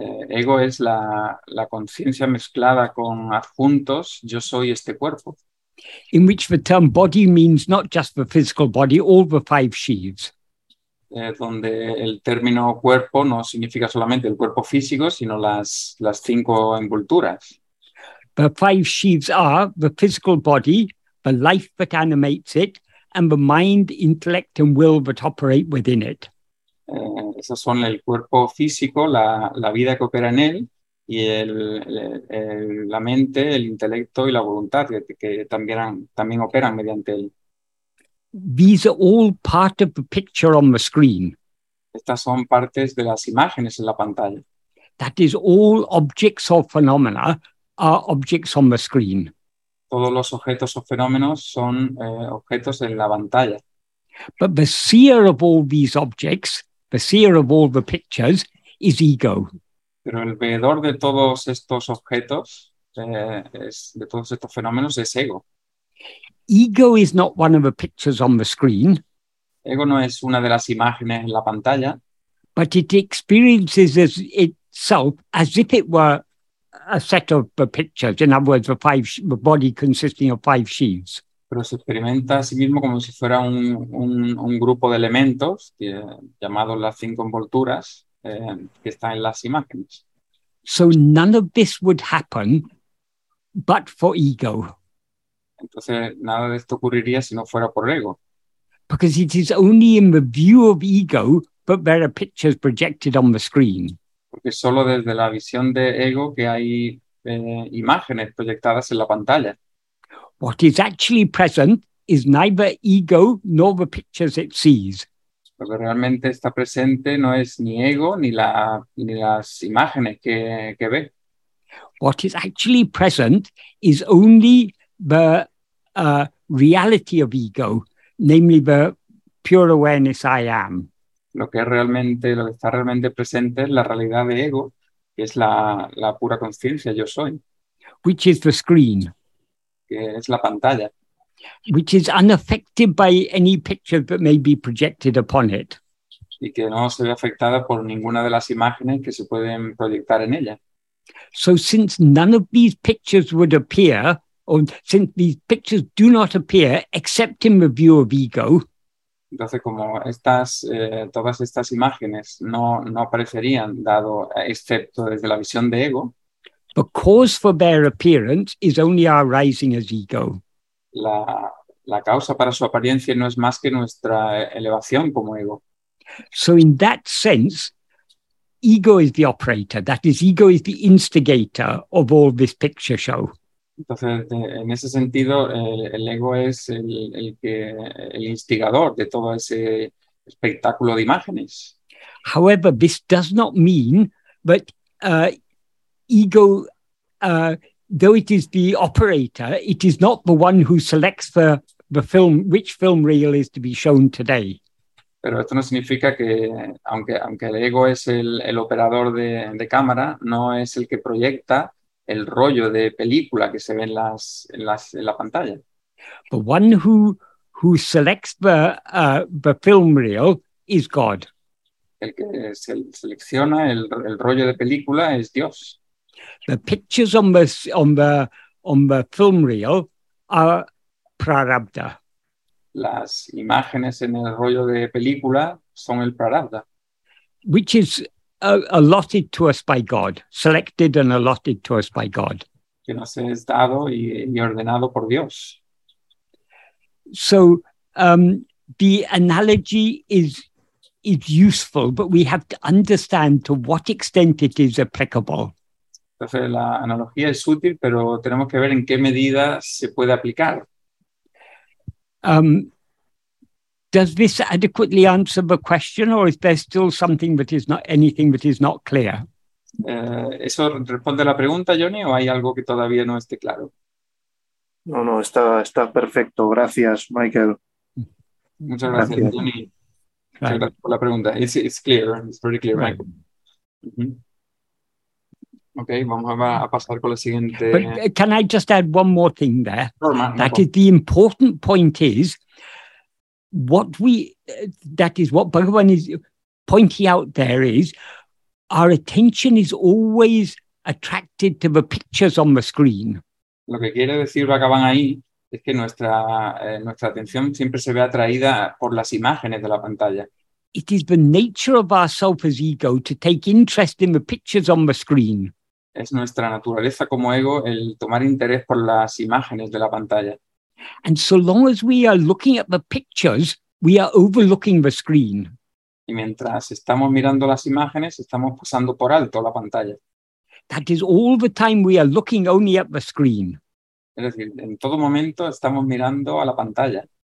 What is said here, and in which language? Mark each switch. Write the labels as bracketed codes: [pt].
[es] Ego es la conciencia mezclada con adjuntos, yo soy este cuerpo. [en] In which the term body means not just the physical body, all the five sheaths. [es] Donde el término cuerpo no significa solamente el cuerpo físico, sino las cinco envolturas. [en] The five sheaths are the physical body, the life that animates it, and the mind, intellect, and will that operate within it. [es] Esos son el cuerpo físico, la vida que opera en él, y la mente, el intelecto y la voluntad que también operan mediante él. [en] These are all part of the picture on the screen. [es] Estas son partes de las imágenes en la pantalla. [en] That is, all objects or phenomena are objects on the screen. [es] Todos los objetos o fenómenos son objetos en la pantalla. [en] But the seer of all these objects, the seer of all the pictures, is ego. [es] Pero el veedor de todos estos objetos, de todos estos fenómenos, es ego. [en] Ego is not one of the pictures on the screen. [es] Ego no es una de las imágenes en la pantalla. [en] But it experiences itself as if it were a set of the pictures. In other words, the body consisting of five sheaths. [es] Pero se experimenta a sí mismo como si fuera un grupo de elementos llamados las cinco envolturas que están en las imágenes. [en] So none of this would happen but for ego. [es] Entonces nada de esto ocurriría si no fuera por ego. [en] Because it is only in the view of ego that there are pictures projected on the screen. [es] Porque solo desde la visión de ego que hay imágenes proyectadas en la pantalla. [en] What is actually present is neither ego nor the pictures it sees. [es] Lo que realmente está presente no es ni ego ni las imágenes que ve. [en] What is actually present is only the reality of ego, namely the pure awareness I am. [es] Lo que está realmente presente es la realidad de ego, que es la pura conciencia yo soy. [en] Which is the screen. [es] Que es la pantalla. [en] Which is unaffected by any picture that may be projected upon it. [es] Y que no se ve afectada por ninguna de las imágenes que se pueden proyectar en ella. [en] So since none of these pictures would appear, or since these pictures do not appear except in the view of ego. [es] Entonces, como estas, todas estas imágenes no aparecerían, dado excepto desde la visión de ego. [en] The cause for their appearance is only our rising as ego. [es] La causa para su apariencia no es más que nuestra elevación como ego. [en] So in that sense, ego is the operator. That is, ego is the instigator of all this picture show. [es] Entonces, en ese sentido, el ego es el instigador de todo ese espectáculo de imágenes. [en] However, this does not mean that ego, though it is the operator, it is not the one who selects the film, which film reel is to be shown today. [es] Pero esto no significa que, aunque el ego es el operador de cámara, no es el que proyecta el rollo de película que se ve en la pantalla. [en] The one who selects the film reel is God. [es] El que selecciona el rollo de película es Dios. [en] The pictures on the film reel are prarabdha. [es] Las imágenes en el rollo de película son el prarabdha, [en] which is allotted to us by God, selected and allotted to us by God. [es] Que nos es dado y ordenado por Dios. [en] So the analogy is useful, but we have to understand to what extent it is applicable. [es] Entonces, la analogía es útil, pero tenemos que ver en qué medida se puede aplicar. [en] Does this adequately answer the question, or is there still something that is not anything that is not clear? [es] ¿Eso responde la pregunta, Johnny, o hay algo que todavía no esté claro? No, no, está perfecto. Gracias, Michael. Muchas gracias, gracias. Johnny. Muchas [en] right. [es] gracias por la pregunta. [en] It's clear. It's very clear, right. [es] Michael. Mm-hmm. Okay, vamos a pasar con la siguiente. [en] But can I just add one more thing there? Sure, man, that no is the important point is what we, that is what Bhagavan is pointing out there is our attention is always attracted to the pictures on the screen. [es] Lo que quiere decir Bhagavan ahí es que nuestra atención siempre se ve atraída por las imágenes de la pantalla. [en] It is the nature of ourself as ego to take interest in the pictures on the screen. [es] Es nuestra naturaleza como ego el tomar interés por las imágenes de la pantalla. [en] And so long as we are looking at the pictures, we are overlooking the screen. [es] Y mientras estamos mirando las imágenes, estamos pasando por alto la pantalla. [en] That is all the time we are looking only at the screen. [es] Es decir, en todo momento estamos mirando a la pantalla.